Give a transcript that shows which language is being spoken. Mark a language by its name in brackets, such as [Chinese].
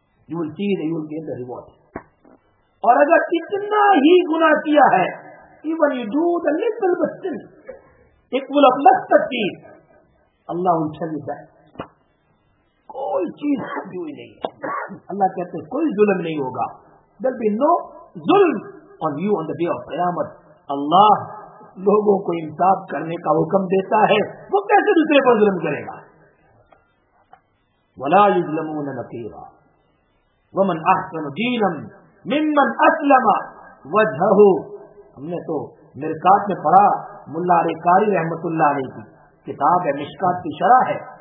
[English] You will see that you will gain the reward. [Urdu] اور اگر اتنا ہی گناہ کیا ہے, [English] even you do the little bit sin equal of mustard seed, Allah will tell you that [Urdu] کوئی چیز چھپی ہوئی نہیں ہے. اللہ کہتے ہیں کوئی ظلم نہیں ہوگا. [English] There'll be no zulm on you on the day of qayamat. [Urdu] اللہ لوگوں کو انصاف کرنے کا حکم دیتا ہے, وہ کیسے دوسرے پر ظلم کرے گا؟ [Arabic] وَلَا يُظْلَمُونَ نَقِيرًا وَمَنْ أَحْسَنُ دِينًا مِمَّنْ أَسْلَمَ وَجْهَهُ. [Urdu] ہم نے تو مرکات میں پڑھا ملا علی قاری رحمت اللہ علیہ کی کتاب ہے, مشکات کی شرح ہے.